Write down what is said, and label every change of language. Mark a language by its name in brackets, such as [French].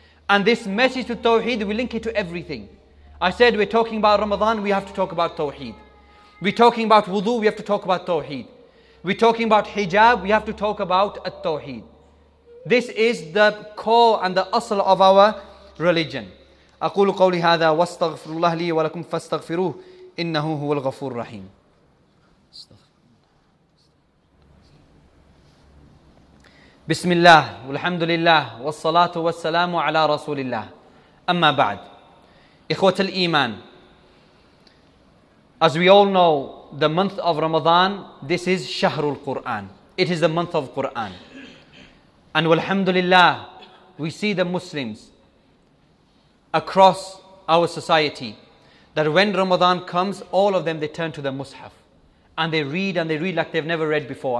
[English] And this message to tawheed, we link it to everything. I said we're talking about Ramadan, we have to talk about tawheed. We're talking about wudu, we have to talk about tawheed. We're talking about hijab, we have to talk about at-tawheed. This is the core and the asl of our religion. [Arabic] أقول قولي هذا واستغفر الله لي ولكم فاستغفروه إنه هو الغفور الرحيم. بسم الله والحمد لله والصلاة والسلام على رسول الله. أما بعد إخوة الإيمان. [English] As we all know, the month of Ramadan, this is [Arabic] شهر القرآن. [English] It is the month of Quran. And alhamdulillah, we see the Muslims across our society that when Ramadan comes, all of them, they turn to the Mus'haf and they read like they've never read before.